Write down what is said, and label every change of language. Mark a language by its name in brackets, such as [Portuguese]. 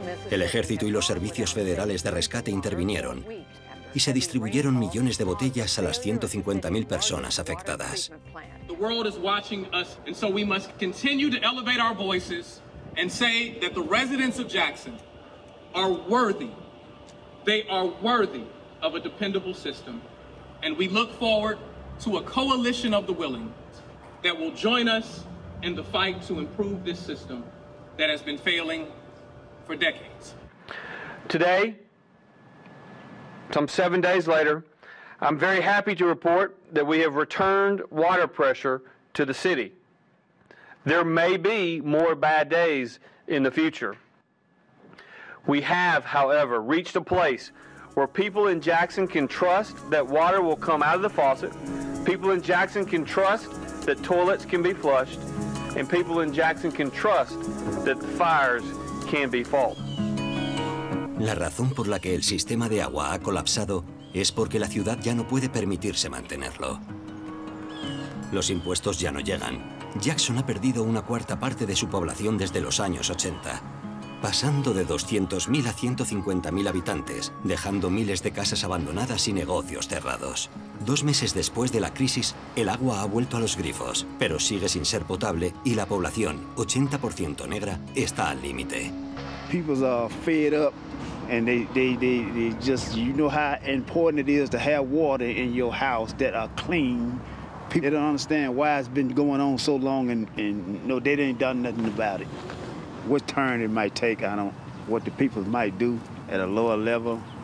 [Spanish] El ejército y los servicios federales de rescate intervinieron y se distribuyeron millones de botellas a las 150.000 personas afectadas. [English] The world is watching us, and so we must continue to elevate our voices and say that the residents of Jackson are worthy. They are worthy of a dependable system. And we look forward to a coalition of the willing that will join us in the fight to improve this system that has been failing for decades. Today, some 7 days later, I'm very happy to report that we have returned water pressure to the city. There may be more bad days in the future. We have, however, reached a place where people in Jackson can trust that water will come out of the faucet, people in Jackson can trust that toilets can be flushed, and people in Jackson can trust that the fires can be fought. [Spanish] La razón por la que el sistema de agua ha colapsado es porque la ciudad ya no puede permitirse mantenerlo. Los impuestos ya no llegan. Jackson ha perdido una cuarta parte de su población desde los años 80, pasando de 200.000 a 150.000 habitantes, dejando miles de casas abandonadas y negocios cerrados. 2 meses después de la crisis, el agua ha vuelto a los grifos, pero sigue sin ser potable y la población, 80% negra, está al límite. [English] People are fed up and they just, you know how important it is to have water in your house that are clean. People don't understand why it's been going on so long and no, they ain't done nothing about it. What turn it might take, I don't, what the people might do at a lower level.